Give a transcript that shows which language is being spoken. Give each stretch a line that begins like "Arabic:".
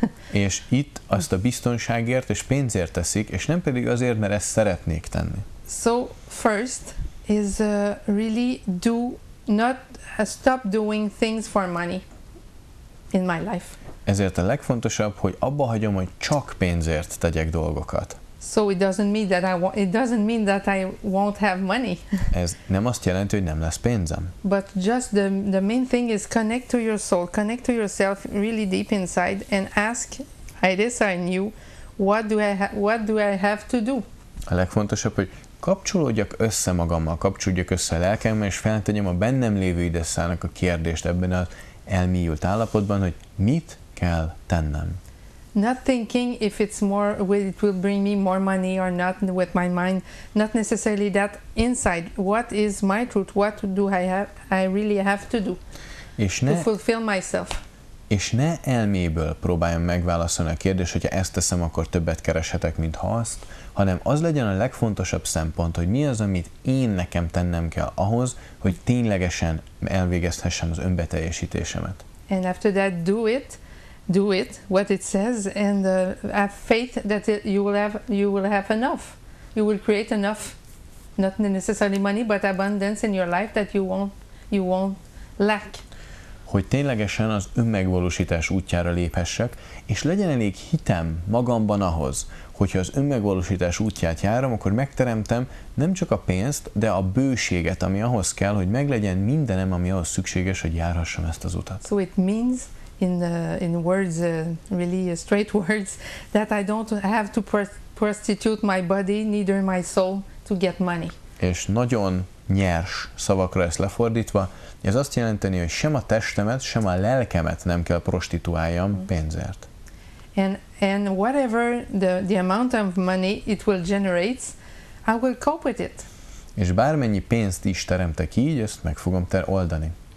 Hungarian: És itt azt a biztonságért és pénzért teszik, és nem pedig azért, mert ezt szeretnék tenni.
English: So first is really do not stop doing things for money in my life.
Hungarian: Ezért a legfontosabb, hogy abba hagyom, hogy csak pénzért tegyek dolgokat.
English: So it doesn't mean that I won't have money.
Hungarian: Ez nem azt jelenti, hogy nem lesz pénzem.
English: But just the main thing is connect to your soul, connect to yourself really deep inside and ask, I design you, what do I have to do?
Hungarian: A legfontosabb, hogy kapcsolódjak össze magammal, kapcsolódjak össze a lelkemmel, és feltegyem a bennem lévő ideszának a kérdést ebben az elmélyült állapotban, hogy mit kell tennem.
English: Not thinking if it's more, it will bring me more money or not with my mind. Not necessarily that inside. What is my truth? What do I have? I really have to do to fulfill myself.
Hungarian: És ne elméből próbáljam megválaszolni a kérdést, hogyha ezt teszem, akkor többet kereshetek, mint ha azt, hanem az legyen a legfontosabb szempont, hogy mi az, amit én nekem tennem kell ahhoz, hogy ténylegesen elvégezhessem az önbeteljesítésemet.
English: And after that, do it what it says and have faith that you will have enough. You will create enough, not necessarily money, but abundance in your life that you won't lack.
Hungarian: Hogy ténylegesen az önmegvalósítás útjára léphessek, és legyen elég hitem magamban ahhoz, hogyha az önmegvalósítás útját járom, akkor megteremtem nem csak a pénzt, de a bőséget, ami ahhoz kell, hogy meglegyen mindenem, ami ahhoz szükséges, hogy járhassam ezt az utat.
English: So it means in words, really straight words, that I don't have to prostitute my body, neither my soul, to get money.
Hungarian: És nagyon nyers szavakra ezt lefordítva, ez azt jelenteni, hogy sem a testemet, sem a lelkemet nem kell prostituáljam pénzért.
English: And whatever the amount of money it will generate, I will cope with it.
Hungarian: És bármennyi pénzt is teremtek így, ezt meg fogom oldani.